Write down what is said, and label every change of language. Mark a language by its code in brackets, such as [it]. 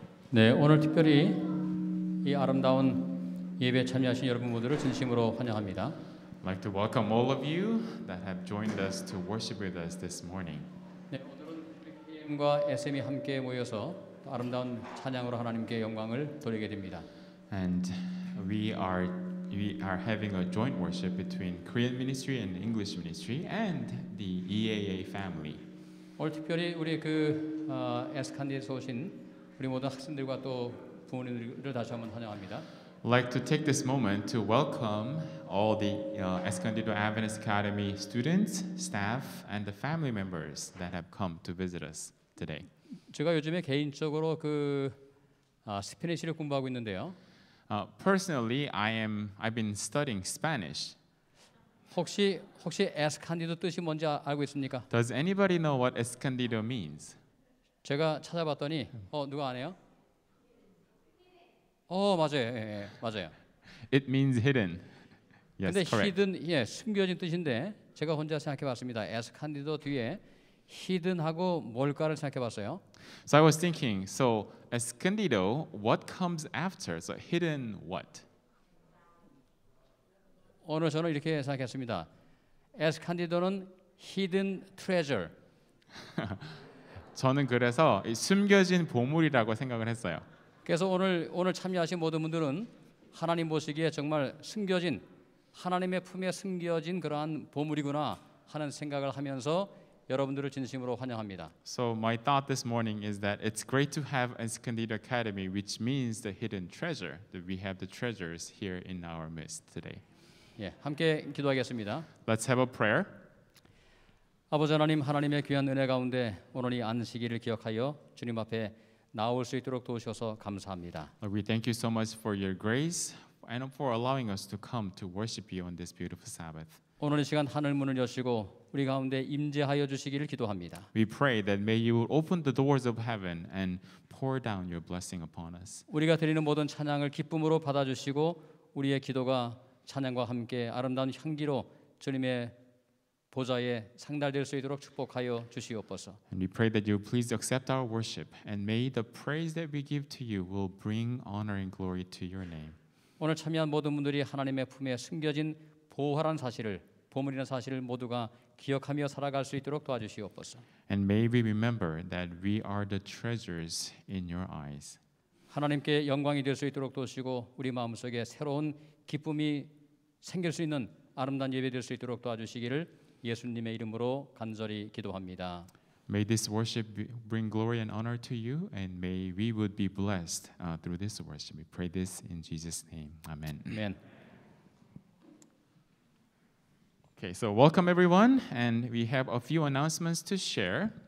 [ko] 네, 오늘 특별히 이 아름다운 예배에 참여하신 여러분 모두를 진심으로 환영합니다. [en] I'd like to welcome all of you that have joined us to worship with us this morning. [ko] 네, 오늘은 우리 PM과 SM이 함께 모여서 아름다운 찬양으로 하나님께 영광을 돌리게 됩니다. [en] And we are having a joint worship between Korean Ministry and English Ministry and the EAA family. [ko] 오늘 특별히 우리 그 에스칸디에서 오신 우리 모든 학생들과 또 부모님들을 다시 한번 환영합니다. [en] I'd like to take this moment to welcome all the Escondido Adventist Academy students, staff, and the family members that have come to visit us today. [ko] 제가 요즘에 개인적으로 그 스페니쉬를 공부하고 있는데요. [en] Personally, I've been studying Spanish. [ko] 혹시 Escondido 뜻이 뭔지 알고 있습니까? [en] Does anybody know what Escondido means? [ko] 제가 찾아봤더니 누가 아네요? 맞아요. 맞아요. [en] It means hidden. Yes, [ko] 근데 [en] correct. [ko] 근데 hidden 숨겨진 뜻인데 제가 혼자 생각해 봤습니다. Escondido 뒤에 hidden하고 뭘까를 생각해 봤어요. [en] So I was thinking, so Escondido, what comes after? So hidden what? [ko] 오늘 저는 이렇게 생각했습니다. [en] Escondido는 hidden treasure. [ko] 저는 그래서 숨겨진 보물이라고 생각을 했어요. 그래서 오늘 참여하신 모든 분들은 하나님 보시기에 정말 숨겨진 하나님의 품에 숨겨진 그러한 보물이구나 하는 생각을 하면서 여러분들을 진심으로 환영합니다. [en] So my thought this morning is that it's great to have Escondido Academy, which means the hidden treasure, that we have the treasures here in our midst today. [ko] 예, 함께 기도하겠습니다. [en] Let's have a prayer. [ko] 아버지 하나님, 하나님의 귀한 은혜 가운데 오늘 이 안식일을 기억하여 주님 앞에 나올 수 있도록 도우셔서 감사합니다. [en] Lord, we thank you so much for your grace and for allowing us to come to worship you on this beautiful Sabbath. [ko] 오늘 이 시간 하늘 문을 여시고 우리 가운데 임재하여 주시기를 기도합니다. [en] We pray that may you open the doors of heaven and pour down your blessing upon us. [ko] 우리가 드리는 모든 찬양을 기쁨으로 받아주시고 우리의 기도가 찬양과 함께 아름다운 향기로 주님의 보좌에 상달될 수 있도록 축복하여 주시옵소서. [en] And we pray that you please accept our worship and may the praise that we give to you will bring honor and glory to your name. [ko] 오늘 참여한 모든 분들이 하나님의 품에 숨겨진 보화란 사실을 보물이라는 사실을 모두가 기억하며 살아갈 수 있도록 도와주시옵소서. [en] And may we remember that we are the treasures in your eyes. [ko] 하나님께 영광이 될 수 있도록 도우시고 우리 마음속에 새로운 기쁨이 생길 수 있는 아름다운 예배 될 수 있도록 도와주시기를 예수님의 이름으로 간절히 기도합니다. [en] May this worship bring glory and honor to you and may we would be blessed through this worship. We pray this in Jesus' name. Amen. Amen. Okay, so welcome everyone, and we have a few announcements to share.